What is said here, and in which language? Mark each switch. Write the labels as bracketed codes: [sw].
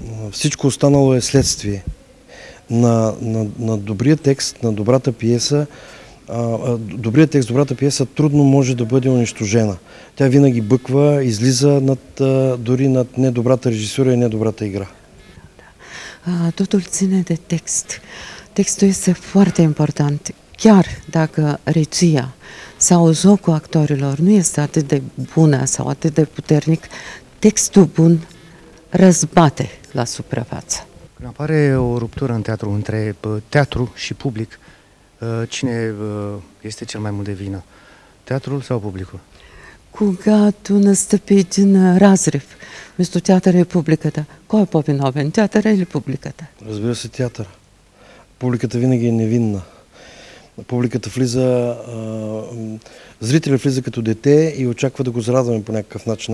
[bg] Всичко останало е следствие на добрия текст, на добрата пиеса, добрият текст, добрата пиеса трудно може да бъде унищожена. Тя винаги бъква, излиза над, дори над недобрата режисура и недобрата игра. [ro] Totul ține de text. Textul este foarte important. Chiar dacă regia sau jocul actorilor nu este atât de bună sau atât de puternic, textul bun răzbate la suprafață. Când apare o ruptură în teatru, între teatru și public, cine este cel mai mult de vină? Teatrul sau publicul? [bg] Когато настъпи един разрив между театъра и публиката, кой е по-виновен, театъра или публиката? Разбира се, театъра. Публиката винаги е невинна. Публиката влиза, зрителят влиза като дете и очаква да го зарадваме по някакъв начин.